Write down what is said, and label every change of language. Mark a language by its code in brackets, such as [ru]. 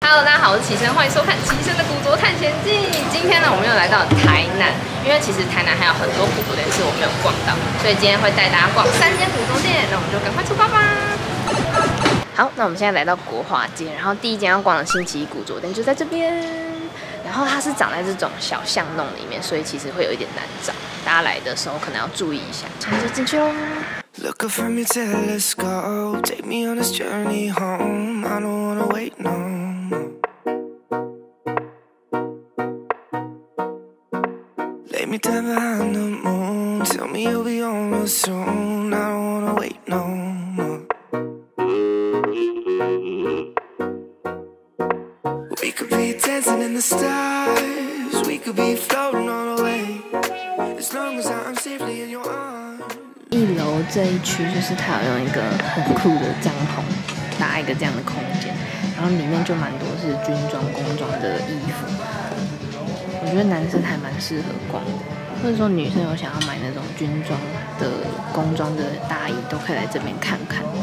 [zh] Hello， 大家好，我是齐生，欢迎收看《齐生的古着探险记》。今天呢，我们又来到台南，因为其实台南还有很多古着店是我没有逛到，所以今天会带大家逛三间古着店。那我们就赶快出发吧。好，那我们现在来到国华街，然后第一间要逛的新奇古着店就在这边。然后它是长在这种小巷弄里面，所以其实会有一点难找，大家来的时候可能要注意一下。现在就进去喽。 [en] Look up from your telescope, take me on this journey home. I don't wanna wait no more. Lay me down behind the moon, tell me you'll be on the soon. I don't wanna wait no more. We could be dancing in the stars, we could be floating all the way. As long as I'm safely in your arms. [zh] 一楼这一区就是它有用一个很酷的帐篷搭一个这样的空间，然后里面就蛮多是军装工装的衣服，我觉得男生还蛮适合逛的，或者说女生有想要买那种军装的工装的大衣都可以来这边看看。